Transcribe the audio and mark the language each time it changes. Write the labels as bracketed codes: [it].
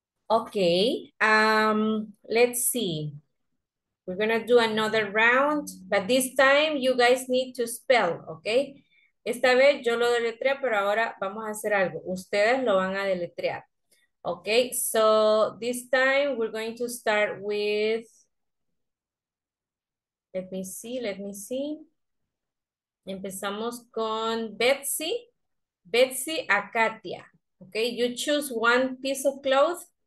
[en] Okay, let's see. We're gonna do another round, but this time you guys need to spell, okay? [es] Esta vez yo lo deletreo, pero ahora vamos a hacer algo. Ustedes lo van a deletrear. [en] Okay, so this time we're going to start with, let me see. [es] Empezamos con Betsy a Katia. [en] Okay, you choose one piece of clothes